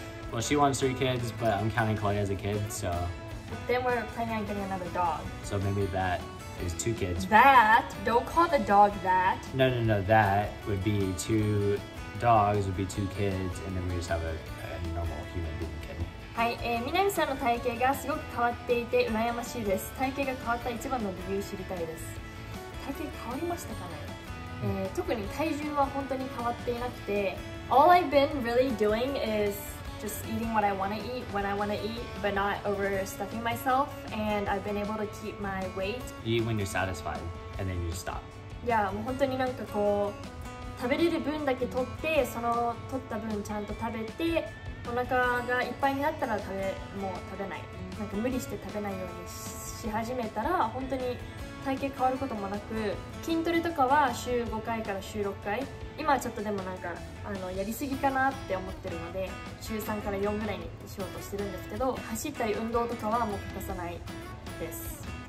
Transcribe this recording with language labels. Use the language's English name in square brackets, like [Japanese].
[English] Well, she wants 3 kids, but I'm counting Chloe as a kid, so... But then we're planning on getting another dog. So maybe that is 2 kids. That? Don't call the dog that. No, no, no. That would be 2 dogs, would be 2 kids, and then we just have a normal human being. [Japanese] はい、南さんの体型がすごく変わっていて羨ましいです。体型が変わった一番の理由知りたいです。体型変わりましたかね、特に体重は本当に変わっていなくて [English] All I've been really doing is just eating what I want to eat when I want to eat but not overstuffing myself and I've been able to keep my weight. Eat when you're satisfied and then you stop. [Japanese] Yeah, もう本当になんかこう食べれる分だけ取ってその取った分ちゃんと食べてお腹がいっぱいになったら食べもう食べない、なんか無理して食べないようにし始めたら本当に体型変わることもなく、筋トレとかは週5回から週6回、今はちょっとでもなんかやりすぎかなって思ってるので週3から4ぐらいにしようとしてるんですけど、走ったり運動とかはもう欠かさないです。